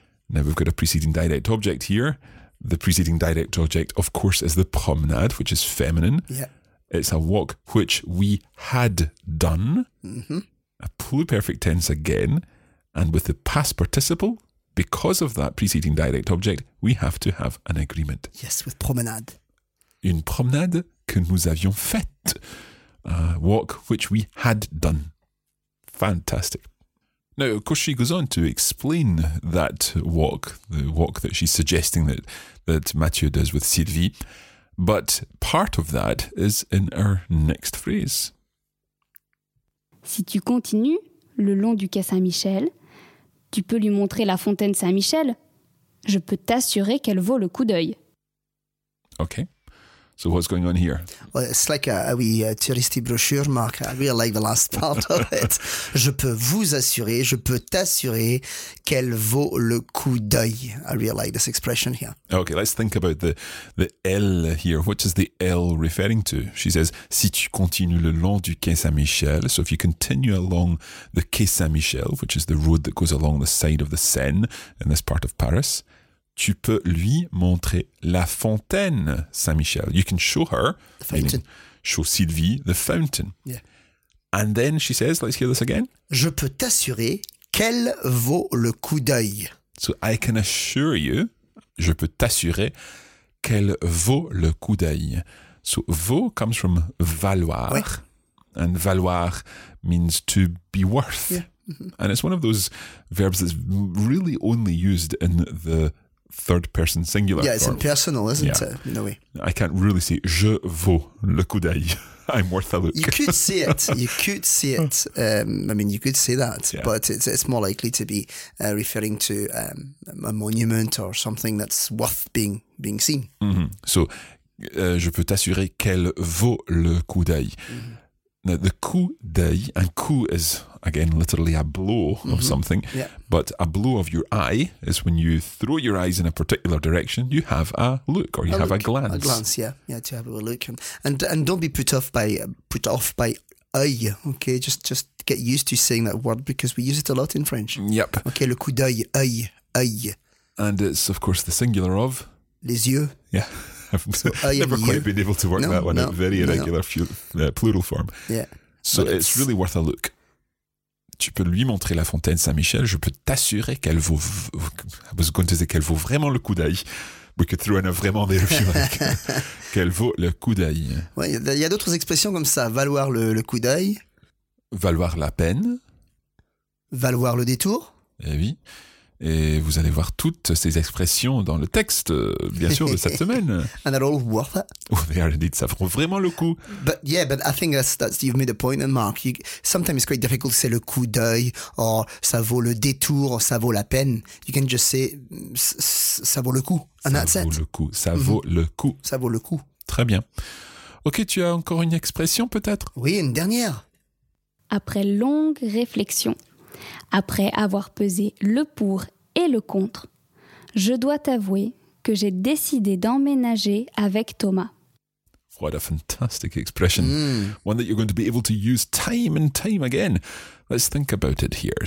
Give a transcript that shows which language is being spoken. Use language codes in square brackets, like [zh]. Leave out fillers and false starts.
[en] Now we've got a preceding direct object here. The preceding direct object, of course, is the promenade, which is feminine. Yeah. It's a walk which we had done. Mm-hmm. A pluperfect tense again. And with the past participle, because of that preceding direct object, we have to have an agreement. Yes, with promenade. [fr] Une promenade que nous avions faite. [en] A walk which we had done. Fantastic. Now, of course, she goes on to explain that walk, the walk that she's suggesting that Mathieu does with Sylvie. But part of that is in our next phrase. [fr] Si tu continues le long du Quai Saint-Michel, tu peux lui montrer la fontaine Saint-Michel. Je peux t'assurer qu'elle vaut le coup d'œil. [en] Okay. So what's going on here? Well, it's like a wee touristy brochure, Mark. I really like the last part of it. [fr] Je peux vous assurer, je peux t'assurer qu'elle vaut le coup d'œil. [en] I really like this expression here. Okay, let's think about the L here. What is the L referring to? She says, [fr] si tu continues le long du Quai Saint-Michel. [en] So if you continue along the Quai Saint-Michel, which is the road that goes along the side of the Seine in this part of Paris, [fr] tu peux lui montrer la fontaine Saint-Michel. [en] You can show her, the fountain. Show Sylvie the fountain. Yeah. And then she says, let's hear this again. [fr] Je peux t'assurer qu'elle vaut le coup d'œil. [en] So I can assure you, [fr] je peux t'assurer qu'elle vaut le coup d'œil. [en] So vaut comes from valoir. [fr] Oui. [en] And valoir means to be worth. Yeah. Mm-hmm. And it's one of those verbs that's really only used in the third person singular. Yeah, it's impersonal, isn't it? In a way. I can't really say, [fr] je vaux le coup d'œil. [en] I'm worth a look. You could see it. You could say that. Yeah. But it's more likely to be referring to a monument or something that's worth being seen. Mm-hmm. [fr] So, je peux t'assurer qu'elle vaut le coup d'œil. Mm-hmm. [en] Now, the coup d'œil, and coup is, again, literally a blow of something. Yeah. But a blow of your eye is when you throw your eyes in a particular direction, you have a look or a glance. A glance, yeah. Yeah, to have a look. And don't be put off by œil, okay? Just get used to saying that word because we use it a lot in French. Yep. [fr] Okay, le coup d'œil, œil, œil. [en] And it's, of course, the singular of? [fr] Les yeux. [en] Yeah. I've never quite been able to work out. Very irregular plural form. Yeah. So it's really worth a look. [fr] Tu peux lui montrer la fontaine Saint-Michel, je peux t'assurer qu'elle vaut. [en] I was going to say [fr] qu'elle vaut vraiment le coup d'œil. [en] We could throw in a vraiment there if you like. [fr] Qu'elle vaut le coup d'œil. Ouais, il y a d'autres expressions comme ça. Valoir le coup d'œil. Valoir la peine. Valoir le détour. Eh oui. Et vous allez voir toutes ces expressions dans le texte, bien sûr, de cette semaine. [en] And they're all worth it. Oh, they are indeed. [fr] Ça vaut vraiment le coup. [en] But yeah, but I think that's you've made a point, and Mark. Sometimes it's quite difficult to say le coup d'œil, or [fr] ça vaut le détour, [en] or [fr] ça vaut la peine. [en] You can just say [fr] ça vaut le coup, [en] and [fr] ça [en] that's [fr] vaut [en] it. [fr] Le coup. Ça vaut le coup. Ça vaut le coup. Très bien. Ok, tu as encore une expression, peut-être? Oui, une dernière. Après longue réflexion. Après avoir pesé le pour et le contre, je dois t'avouer que j'ai décidé d'emménager avec Thomas. [en] What a fantastic expression. Mm. One that you're going to be able to use time and time again. Let's think about it here.